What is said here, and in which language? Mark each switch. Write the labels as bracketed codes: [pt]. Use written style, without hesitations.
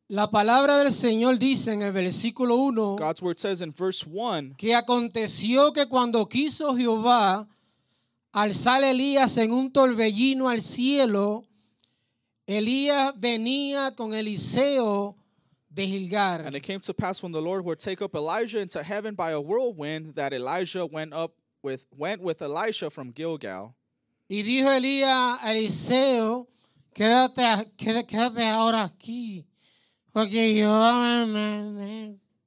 [es] la palabra del Señor dice en el versículo 1, [en] God's word says in verse 1, [es] que aconteció que cuando quiso Jehová alzar Elías en un torbellino al cielo, Elías venía con Eliseo de Gilgal. [en] And it came to pass when the Lord would take up Elijah into heaven by a whirlwind, that Elijah went with Elisha from Gilgal. [es] Y dijo Elías a Eliseo, quédate ahora aquí, porque yo me.